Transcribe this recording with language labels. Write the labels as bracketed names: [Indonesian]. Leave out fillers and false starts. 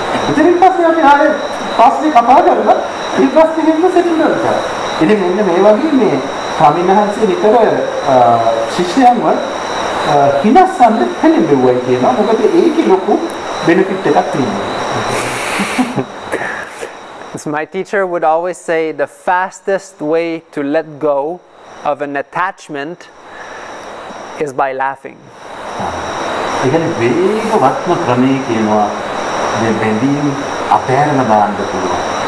[Sinhala] ඉතින් පස්සේ අපි ආයේ පස්සේ කතා කරලා ඉස්සෙල්ලා ඉන්න සෙටින් එකට. ඉතින් මෙන්න මේ වගේ මේ සමිනහන්සේ විතර ශිෂ්‍යයන්ව හිනස්සන්න දෙන්නේ නෙවෙයි කියනවා. මොකද ඒකේ ලොකු benefit එකක් තියෙනවා. [English] So my teacher would always say the fastest way to let go of an attachment is by laughing. [Sinhala] ඒ කියන්නේ වේගවත්ම ක්‍රමය කියනවා මේ බැඳීම් අපහැරන බාන්න පුළුවන්.